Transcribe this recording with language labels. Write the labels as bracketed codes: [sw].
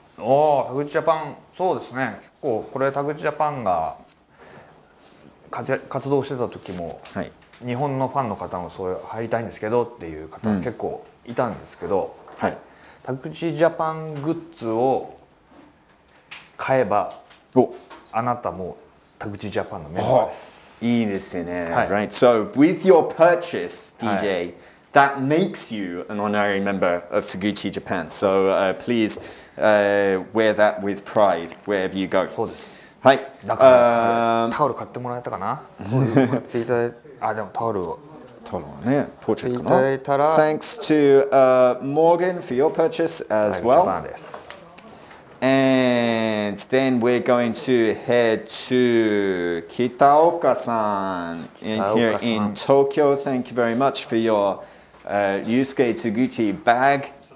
[ja] おお、タグチジャパン、そうですね。結構これタグチジャパンが活動してた時も、はい、日本のファンの方もそういう入りたいんですけどっていう方が結構いたんですけど、うん、はい、タグチジャパングッズを買えば、お、あなたもタグチジャパンのメンバーです。いいですよね。はい、right. [en] So with your purchase, DJ.、はい、That makes you an honorary member of Taguchi Japan. So please wear that with pride wherever you go. [ja] そうです。はい。だからタオル買ってもらえたかな？買っていただいた。あ、でもタオルを。タオルはね、ポーチェットかな？買っていただいたら。 [en] Thanks to Morgan for your purchase as well. [ja] はい、ジャパンです。 [en] And then we're going to head to Kitaoka-san in here in Tokyo. Thank you very much for your Ryusuke Taguchi bag.